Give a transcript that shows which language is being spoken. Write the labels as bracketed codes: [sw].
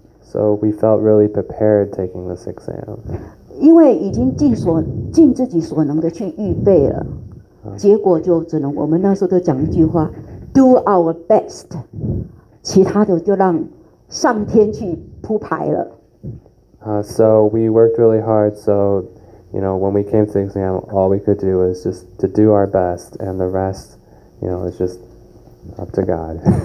[en] So we felt really prepared taking this exam. [zh] 因为已经尽自己所能的去预备了，结果就只能我们那时候都讲一句话， [en] do our best， [zh] 其他的就让上天去铺排了。 [en] So we worked really hard, so, you know, when we came to the exam, all we could do was just to do our best, and the rest, you know, is just up to God.